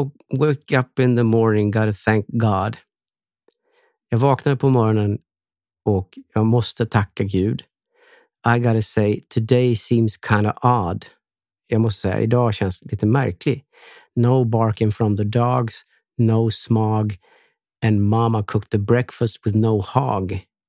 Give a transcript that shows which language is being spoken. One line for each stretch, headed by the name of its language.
English: Wake up in the morning, gotta thank God.
Swedish: Jag vaknade på morgonen och jag måste tacka Gud.
English: I gotta say, today seems kind of odd.
Swedish: Jag måste säga, idag känns lite märklig.
English: No barking from the dogs, no smog, and mama cooked the breakfast with no hog.